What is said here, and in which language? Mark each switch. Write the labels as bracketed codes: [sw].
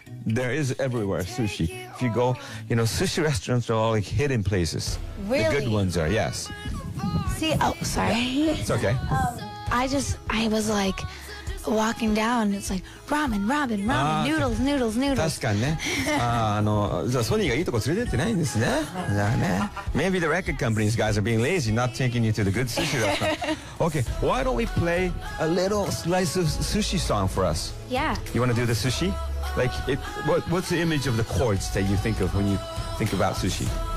[en] there is everywhere sushi. If you go, you know, sushi restaurants are all like hidden places. Really? The good ones are, yes. See, oh, sorry. Yeah. It's okay. I was like walking down, it's like ramen, noodles. Tashikane. [ja] じゃあソニーがいいとこ連れてってないんですね。じゃあね。 [en] Maybe the record company's guys are being lazy, not taking you to the good sushi restaurant. Okay, why don't we play a little slice of sushi song for us? Yeah. You want to do the sushi? Like, it, what's the image of the chords that you think of when you think about sushi?